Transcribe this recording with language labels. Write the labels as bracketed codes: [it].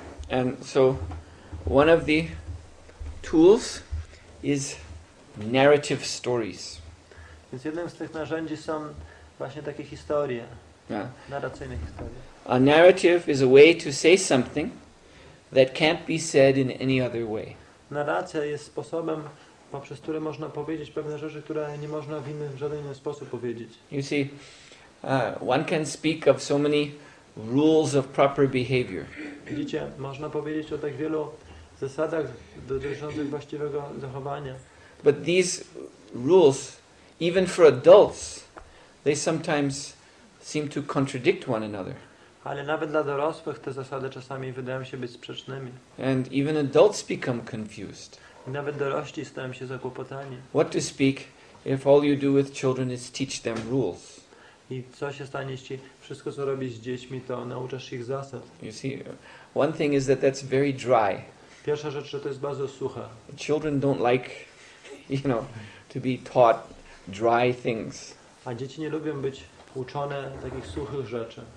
[en] And so one of the tools is narrative stories. [pl] Więc jednym z tych narzędzi są właśnie takie historie, narracyjne historie. [en] A narrative is a way to say something that can't be said in any other way. [pl] Narracja jest sposobem, poprzez który można powiedzieć pewne rzeczy, które nie można w inny, w żaden inny sposób powiedzieć. [en] You see, one can speak of so many rules of proper behavior. [pl] Widzicie, można powiedzieć o tak wielu zasadach dotyczących właściwego zachowania. [en] But these rules, even for adults, they sometimes seem to contradict one another. [pl] Ale nawet dla dorosłych te zasady czasami wydają się być sprzecznymi. [en] And even adults become confused. [pl] I nawet dorośli stają się zakłopotani. [en] What to speak if all you do with children is teach them rules? [pl] I co się stanie, jeśli wszystko co robisz z dziećmi to nauczasz ich zasad? [en] You see, one thing is that that's very dry. [pl] Pierwsza rzecz, że to jest bardzo suche. [en] Children don't like, you know, to be taught dry things. [pl] A dzieci nie lubią być uczone takich suchych rzeczy.